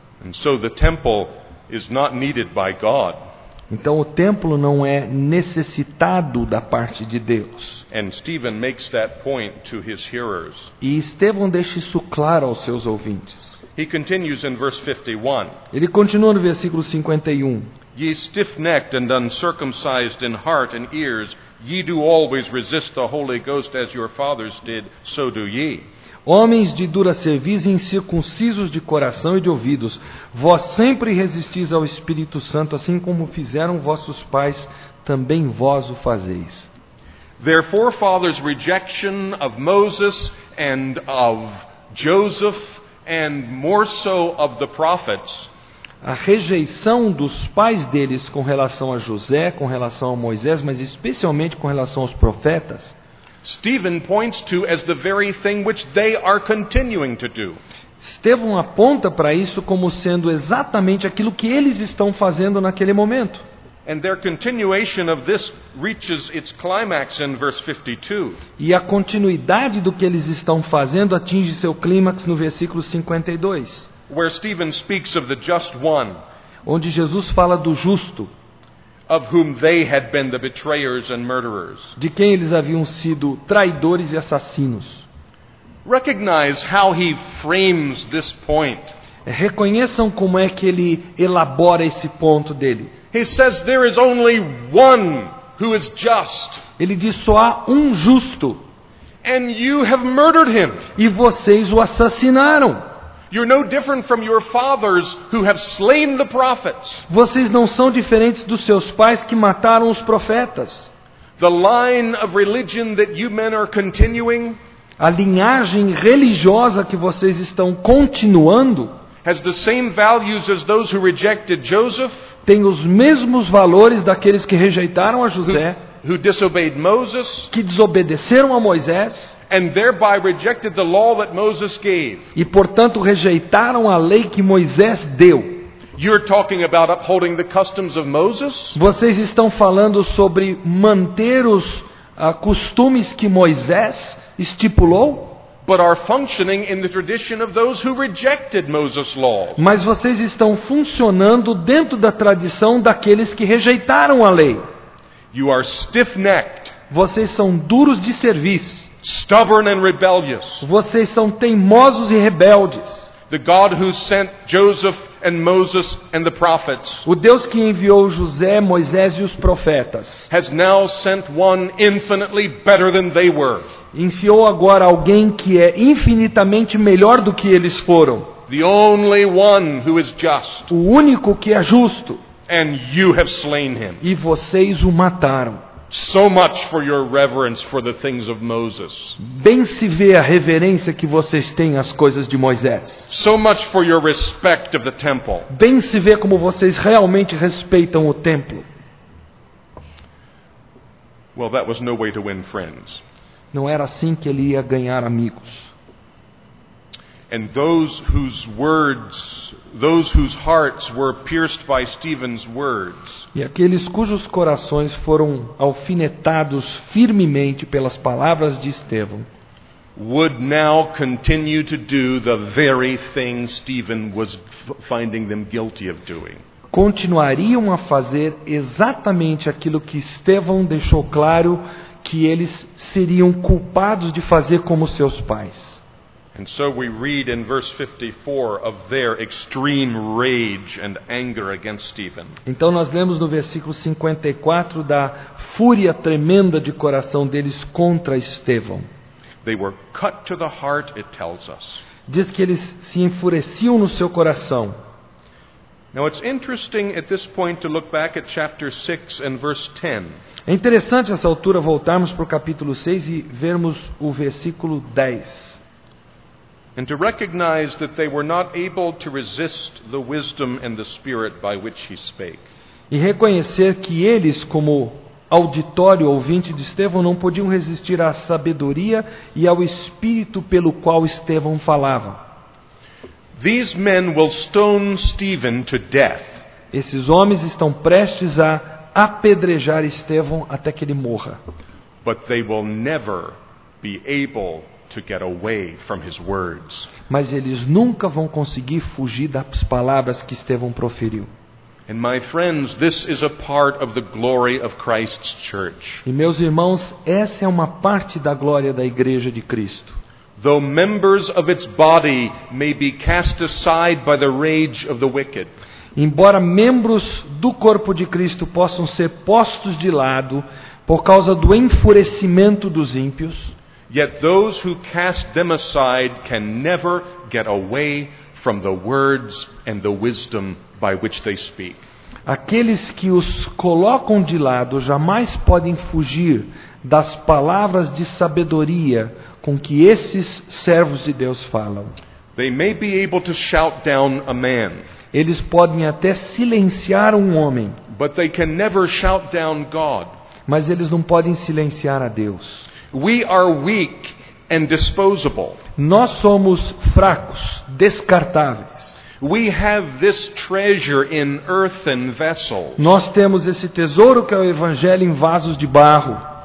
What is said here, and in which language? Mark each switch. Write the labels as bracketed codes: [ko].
[en] And so the temple is not needed by God. [pt] Então o templo não é necessitado da parte de Deus. [en] And Stephen makes that point to his hearers. [pt] E Estevão deixa isso claro aos seus ouvintes. [en] He continues in verse 51. [pt] Ele continua no versículo 51. [en] Ye stiff-necked and uncircumcised in heart and ears, ye do always resist the Holy Ghost as your fathers did, so do ye. [pt] Homens de dura cerviz, incircuncisos de coração e de ouvidos, vós sempre resistis ao Espírito Santo, assim como fizeram vossos pais, também vós o fazeis. [en] Their forefathers' rejection of Moses and of Joseph, and more so of the prophets. [pt] A rejeição dos pais deles com relação a José, com relação a Moisés, mas especialmente com relação aos profetas. [en] Stephen points to as the very thing which they are continuing to do. [pt] Estevão aponta para isso como sendo exatamente aquilo que eles estão fazendo naquele momento. [en] And their continuation of this reaches its climax in verse 52. [pt] E a continuidade do que eles estão fazendo atinge seu clímax no versículo 52. [en] Where Stephen speaks of the just one, [pt] onde Jesus fala do justo, [en] of whom they had been the betrayers and murderers, [pt] de quem eles haviam sido traidores e assassinos. [en] Recognize how he frames this point. [pt] Reconheçam como é que ele elabora esse ponto dele. [en] He says there is only one who is just. [pt] Ele diz só há um justo. [en] And you have murdered him. [pt] E vocês o assassinaram. [en] You're no different from your fathers who have slain the prophets. [pt] Vocês não são diferentes dos seus pais que mataram os profetas. [en] The line of religion that you men are continuing, [pt] a linhagem religiosa que vocês estão continuando, [en] has the same values as those who rejected Joseph, [pt] tem os mesmos valores daqueles que rejeitaram a José, [en] who disobeyed Moses, [pt] que desobedeceram a Moisés, [en] and thereby rejected the law that Moses gave. [pt] E portanto rejeitaram a lei que Moisés deu. [en] You're talking about upholding the customs of Moses? [pt] Vocês estão falando sobre manter os costumes que Moisés estipulou? [en] But are functioning in the tradition of those who rejected Moses' law. [pt] Mas vocês estão funcionando dentro da tradição daqueles que rejeitaram a lei. [en] You are stiff-necked. [pt] Vocês são duros de serviço. [en] Stubborn and rebellious. [pt] Vocês são teimosos e rebeldes. [en] The God who sent Joseph and Moses and the prophets. [pt] O Deus que enviou José, Moisés e os profetas. [en] Has now sent one infinitely better than they were. [pt] Enviou agora alguém que é infinitamente melhor do que eles foram. [en] The only one who is just. [pt] O único que é justo. [en] And you have slain him. [pt] E vocês o mataram. [en] So much for your reverence for the things of Moses. [pt] Bem se vê a reverência que vocês têm às coisas de Moisés. [en] So much for your respect of the temple. [pt] Bem se vê como vocês realmente respeitam o templo. [en] Well, that was no way to win friends. [pt] Não era assim que ele ia ganhar amigos. [en] And those whose words, those whose hearts were pierced by Stephen's words. [pt] E aqueles cujos corações foram alfinetados firmemente pelas palavras de Estevão. [en] Would now continue to do the very thing Stephen was finding them guilty of doing. [pt] Continuariam a fazer exatamente aquilo que Estevão deixou claro que eles seriam culpados de fazer como seus pais. [en] And so we read in verse 54 of their extreme rage and anger against Stephen. [pt] Então nós lemos no versículo 54 da fúria tremenda de coração deles contra Estevão. [en] They were cut to the heart, it tells us. [pt] Diz que eles se enfureciam no seu coração. [en] Now it's interesting at this point to look back at chapter 6 and verse 10. [pt] É interessante essa altura voltarmos para o capítulo 6 e vermos o versículo 10. [en] And to recognize that they were not able to resist the wisdom and the spirit by which he spake. [pt] E reconhecer que eles, como auditório ouvinte de Estevão, não podiam resistir à sabedoria e ao espírito pelo qual Estevão falava. [en] These men will stone Stephen to death. [pt] Esses homens estão prestes a apedrejar Estevão até que ele morra. [en] But they will never be able to get away from his words. [pt] Mas eles nunca vão conseguir fugir das palavras que Estevão proferiu. [en] And my friends, this is a part of the glory of Christ's church. [pt] E meus irmãos, essa é uma parte da glória da Igreja de Cristo. [en] Though members of its body may be cast aside by the rage of the wicked. [pt] Embora membros do corpo de Cristo possam ser postos de lado por causa do enfurecimento dos ímpios, [en] yet those who cast them aside can never get away from the words and the wisdom by which they speak. [pt] Aqueles que os colocam de lado jamais podem fugir das palavras de sabedoria com que esses servos de Deus falam. [en] They may be able to shout down a man. [pt] Eles podem até silenciar um homem. [en] But they can never shout down God. [pt] Mas eles não podem silenciar a Deus. [en] We are weak and disposable. [pt] Nós somos fracos, descartáveis. [en] We have this treasure in earthen vessels. [pt] Nós temos esse tesouro que é o evangelho em vasos de barro.